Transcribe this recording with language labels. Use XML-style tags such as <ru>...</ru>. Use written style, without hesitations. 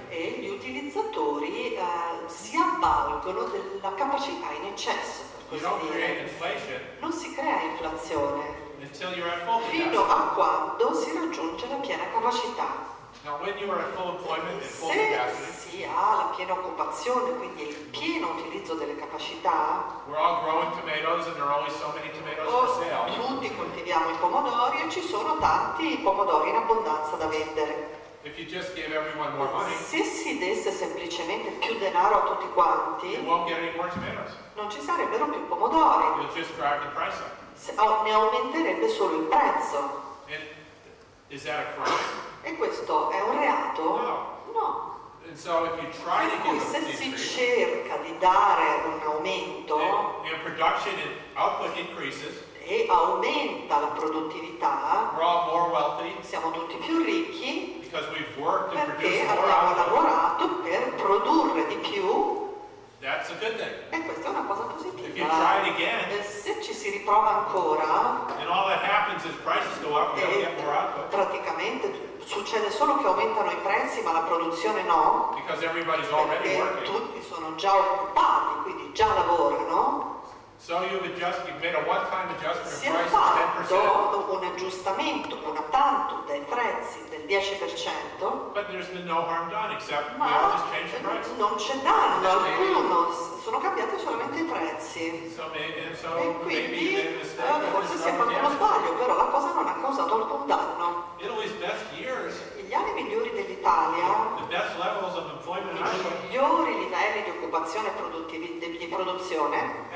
<it>E gli utilizzatori si avvalgono della capacità in eccesso, per così</it> <en>Create inflation</en> <it>non si crea inflazione</it> <en>until you're at full</en> <it>fino a quando si raggiunge la piena capacità.</it> <en>Now, when you are at full employment,</en> <it>se</it> <en>full capacity,</en> <it>si ha la piena occupazione, quindi il pieno utilizzo delle capacità,</it> <en>we're all growing tomatoes and there are always so many tomatoes for sale.</en> <it>Tutti coltiviamo i pomodori e ci sono tanti pomodori in abbondanza da vendere.</it> <en>If you just give everyone more money,</en> <it>se si desse semplicemente più denaro a tutti quanti,</it> <en>you won't get any more tomatoes.</en> <it>Non ci sarebbero più pomodori.</it> <en>You'll just drive the price up.</en> <it>Se, ne aumenterebbe solo il prezzo.</it> <en>And, is that a crime?</en> <it>E questo è un reato?</it> <en>No.</en> <it>No.</it> <en>And so if you try to give</en> <it>se si cerca di dare un aumento</it> <en>and production and output increases,</en> <it>e aumenta la produttività,</it> <en>we're all more wealthy,</en> <it>siamo tutti più ricchi</it> <en>because we've worked</en> <it>perché</it> <en>and produced</en> <it>abbiamo</it> <en>more</en> <it>lavorato</it> <en>output.</en> <it>Per produrre di più.</it> <en>That's a good thing.</en> <it>E questa è una cosa positiva.</it> <en>If you try it again,</en> <it>se ci si riprova ancora</it> <en>and all that happens is prices go up, we don't get more output.</en> <it>Praticamente succede solo che aumentano i prezzi ma la produzione no,</it> <en>because everybody's already</en> <it>perché</it> <en>working.</en> <it>Tutti sono già occupati quindi già lavorano.</it> <en>So you've adjusted, you've made a one-time adjustment</en> <it>si è fatto un aggiustamento una tanto dei prezzi del 10%</it> <en>but there's been no harm done except ma we all just changed the price.</en> <it>Non c'è danno alcuno, sono cambiati solamente i prezzi</it> <en>so maybe, so</en> <it>e quindi</it> <en>maybe</en> <it>forse si è fatto uno sbaglio però la cosa non ha causato alcun danno.</it> <en>Italy's best years,</en> <it>gli anni migliori dell'Italia,</it> <en>the best levels of employment,</en> <it>i migliori livelli di occupazione e di produzione,</it>